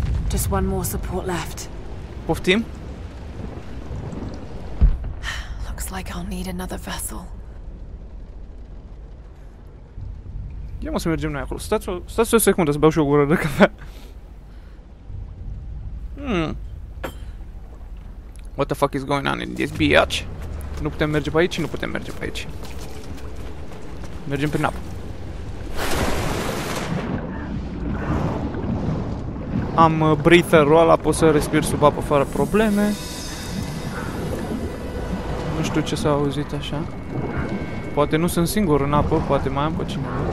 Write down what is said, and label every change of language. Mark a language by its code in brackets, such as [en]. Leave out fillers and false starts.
[en] Just one more support left. [ro] Poftim? [en] Looks like I'll need another vessel. [ro] Ia mă să mergem noi acolo. Stați o secundă să beau și o gură de cafea. [en] What the fuck is going on in this bitch? [ro] Nu putem merge pe aici, nu putem merge pe aici. Mergem prin apă. Am breather-ul ăla, pot să respir sub apă fără probleme. Nu știu ce s-a auzit așa. Poate nu sunt singur în apă, poate mai am pe cineva.